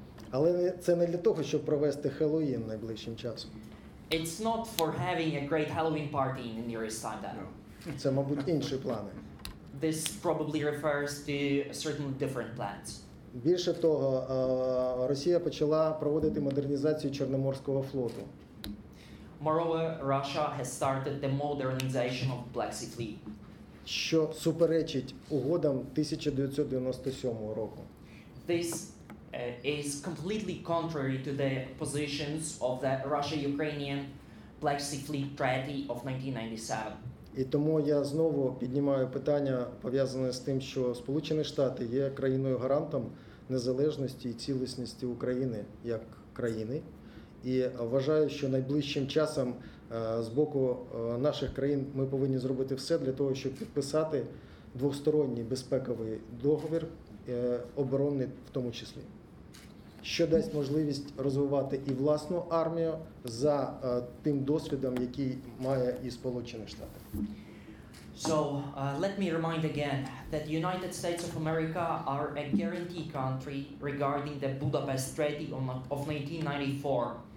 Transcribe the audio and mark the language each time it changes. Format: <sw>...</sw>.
<uk>Але це не для того, щоб провести Хеллоуін найближчим часом.</uk> <en>It's not for having a great Halloween party in the nearest time then.</en> <uk>Це, мабуть, інші плани.</uk> <en>This probably refers to certain different plans.</en> <uk>Більше того, Росія почала проводити модернізацію Чорноморського флоту.</uk> <en>Moreover, Russia has started the modernization of Black Sea Fleet.</en> <uk>Що суперечить угодам 1997 року.</uk> <en>This is completely contrary to the positions of the Russia-Ukrainian Black Sea Fleet Treaty of 1997.</en> <uk>І тому я знову піднімаю питання, пов'язане з тим, що Сполучені Штати є країною-гарантом незалежності і цілісності України як країни. І вважаю, що найближчим часом з боку наших країн ми повинні зробити все для того, щоб підписати двосторонній безпековий договір, оборонний в тому числі. Що дасть можливість розвивати і власну армію за тим досвідом, який має і Сполучені Штати.</uk> <en>So, let me remind again that the United States of America are a guarantee country regarding the Budapest Treaty of 1994.</en>